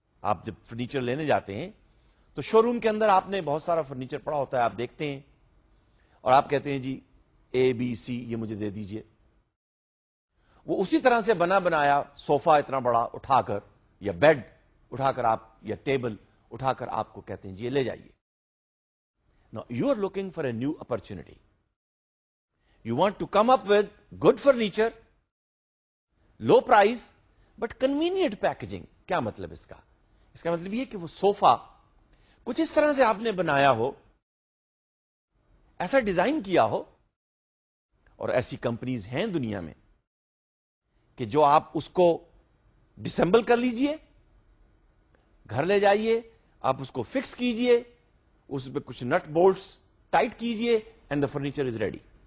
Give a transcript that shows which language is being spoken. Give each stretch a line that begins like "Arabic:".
Urdu: آپ جب فرنیچر لینے جاتے ہیں تو شو روم کے اندر آپ نے بہت سارا فرنیچر پڑا ہوتا ہے, آپ دیکھتے ہیں اور آپ کہتے ہیں جی اے بی سی یہ مجھے دے دیجئے. وہ اسی طرح سے بنا بنایا صوفہ اتنا بڑا اٹھا کر, یا بیڈ اٹھا کر آپ, یا ٹیبل اٹھا کر آپ کو کہتے ہیں جی لے جائیے.
English: No you are looking for a new opportunity. You want to come up with good furniture, low price, but convenient packaging.
Urdu: کیا مطلب اس کا؟ اس کا مطلب یہ کہ وہ صوفہ کچھ اس طرح سے آپ نے بنایا ہو, ایسا ڈیزائن کیا ہو. اور ایسی کمپنیز ہیں دنیا میں کہ جو آپ اس کو ڈسمبل کر لیجئے, گھر لے جائیے, آپ اس کو فکس کیجئے, اس پہ کچھ نٹ بولٹس ٹائٹ کیجئے,
English: And the furniture is ready.